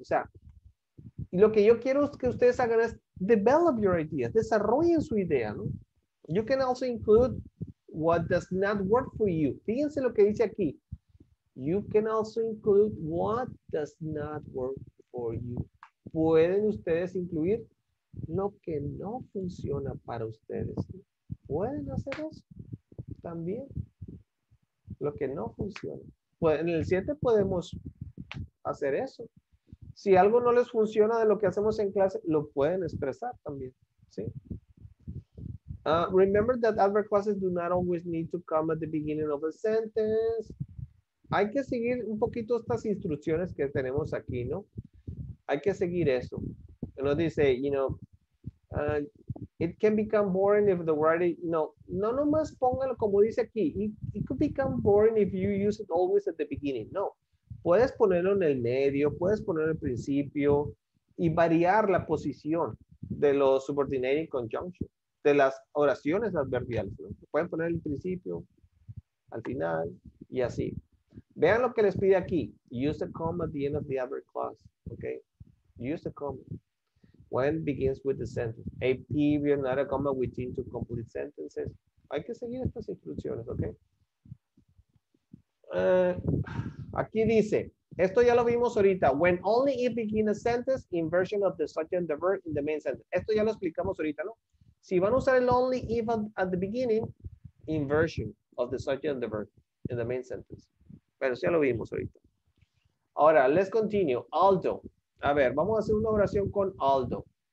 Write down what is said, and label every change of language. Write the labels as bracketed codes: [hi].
[es] O sea, lo que yo quiero que ustedes hagan es [en] develop your ideas. [es] Desarrollen su idea, ¿no? [en] You can also include what does not work for you. [es] Fíjense lo que dice aquí. [en] You can also include what does not work for you. [es] Pueden ustedes incluir lo que no funciona para ustedes. Pueden hacer eso también. Lo que no funciona. Pues en el 7 podemos hacer eso. Si algo no les funciona de lo que hacemos en clase, lo pueden expresar también. ¿Sí? [en] Remember that adverb clauses do not always need to come at the beginning of a sentence. [es] Hay que seguir un poquito estas instrucciones que tenemos aquí, ¿no? Hay que seguir eso. Nos dice, [en] you know, it can become boring if the writing, [es] no nomás póngalo como dice aquí. [en] It could become boring if you use it always at the beginning. [es] No, puedes ponerlo en el medio, puedes ponerlo al principio y variar la posición de los [en] subordinating conjunctions, [es] de las oraciones adverbiales, ¿no? Pueden poner el principio, al final y así. Vean lo que les pide aquí. [en] Use a comma at the end of the adverb clause. Okay? Use a comma. When begins with the sentence. A period, not a comma, which means to complete sentences. [es] Hay que seguir estas instrucciones, okay? Aquí dice, esto ya lo vimos ahorita. [en] When only it begins a sentence, inversion of the subject and the verb in the main sentence. [es] Esto ya lo explicamos ahorita, ¿no? Si van a usar el [en] only if at the beginning, inversion of the subject and the verb in the main sentence. [es] Pero ya lo vimos ahorita. Ahora, [en] let's continue. [es] Aldo. A ver, vamos a hacer una oración con Aldo.